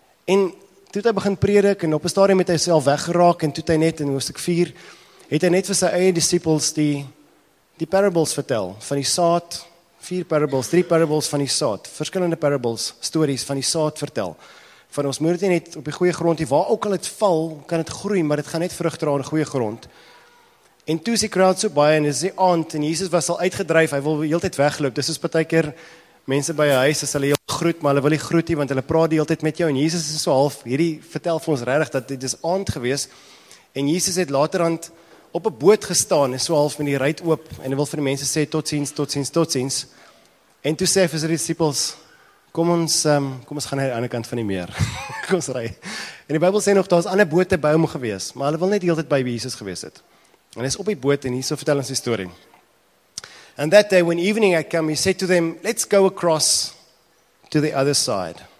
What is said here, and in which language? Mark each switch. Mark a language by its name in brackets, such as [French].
[Afrikaans] En toe het hy begin predik en op 'n stadium het hy self weggeraak en toe het hy net in hoofstuk 4 het hy net vir sy eie disciples die parables vertel, van die saad, 4 parables, 3 parables van die saad, verskillende parables, stories van die saad vertel. Van ons moet net op die goeie grond, waar ook al het val, kan het groei, maar het gaan net vrug dra in goeie grond. En toe is die crowd so baie, en is die aand, en Jesus was al uitgedryf, hy wil die hele tyd wegloop, dis is baie keer, mense by jou huis, as hulle jou groet, maar hulle wil nie groet nie, want hulle praat die hele tyd met jou, en Jesus is so half, hierdie vertel vir ons redig, dat dit is aand gewees, en Jesus het laterand op 'n boot gestaan en so half met die ruit oop en hy wil vir die mense sê totsiens, totsiens, totsiens. En toe sê hy vir sy disciples, kom ons gaan na die ander kant van die meer. Kom ons ry. En die Bybel sê nog, daar is ander bote by hom gewees, maar hulle wil net die hele tyd by Jesus gewees het. En hy is op die boot en hier so vertel ons die story. [English] And that day when evening had come, he said to them, let's go across to the other side.